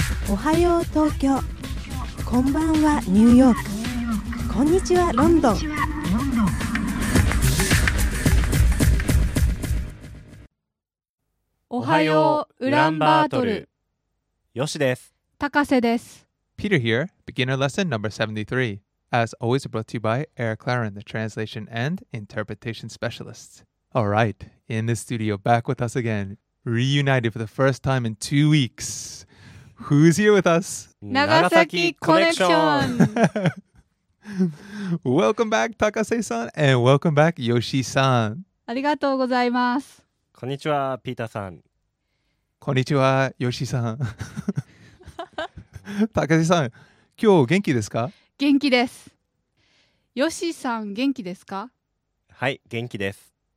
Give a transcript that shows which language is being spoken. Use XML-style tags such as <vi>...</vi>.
<ja>おはよう東京、こんばんはニューヨーク、こんにちはロンドン。おはよう、ウランバートル。よしです。高瀬です。</ja> <en>Peter here, beginner lesson number 73. As always brought to you by Eric Claren, the translation and interpretation specialist. All right, in the studio, back with us again, reunited for the first time in 2 weeks. Who's here with us?</en> <ja>長崎コネクション。</ja> <en>Welcome back, 高瀬さん, and welcome back, Yoshi-san.</en> <ja>ありがとうございます。こんにちは、ピーターさん。こんにちは、ヨシさん。たかしさん、今日元気ですか？元気です。ヨシさん、元気ですか？はい、元気です。</ja>